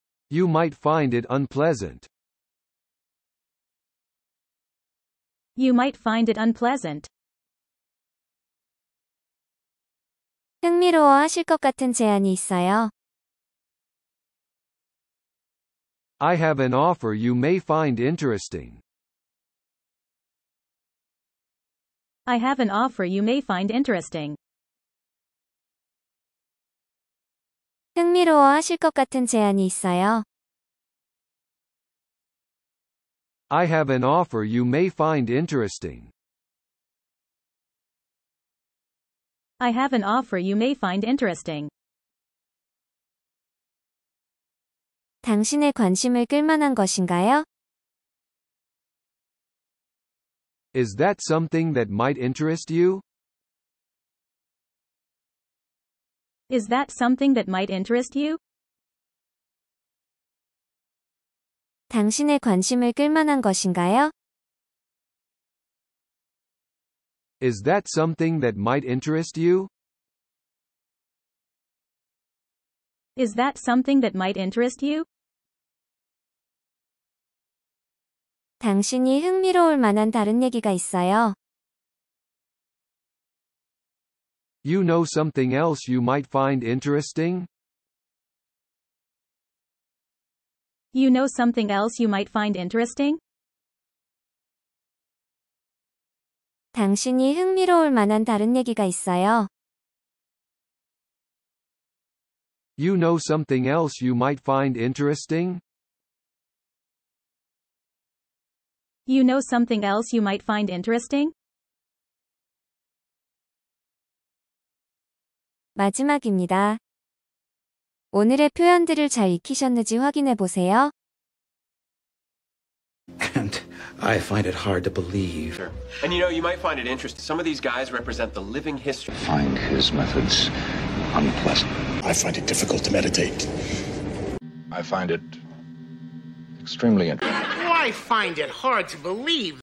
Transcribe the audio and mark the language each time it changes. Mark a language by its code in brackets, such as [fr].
[en] You might find it unpleasant. You might find it unpleasant. [ko] 흥미로워 하실 것 같은 제안이 있어요. [en] I have an offer you may find interesting. I have an offer you may find interesting. [ko] 흥미로워 하실 것 같은 제안이 있어요. [en] I have an offer you may find interesting. I have an offer you may find interesting. [ko] 당신의 관심을 끌만한 것인가요? [en] Is that something that might interest you? Is that something that might interest you? [ko] 당신의 관심을 끌만한 것인가요? [en] Is that something that might interest you? Is that something that might interest you? [ko] 당신이 흥미로울 만한 다른 얘기가 있어요. [en] You know something else you might find interesting? You know something else you might find interesting? [ko] 당신이 흥미로울 만한 다른 얘기가 있어요. [en] You know something else you might find interesting? You know something else you might find interesting? [ko] 마지막입니다. 오늘의 표현들을 잘 익히셨는지 확인해 보세요. [en] And I find it hard to believe. And you know, you might find it interesting. Some of these guys represent the living history. I find his methods unpleasant. I find it difficult to meditate. I find it extremely interesting. I find it hard to believe.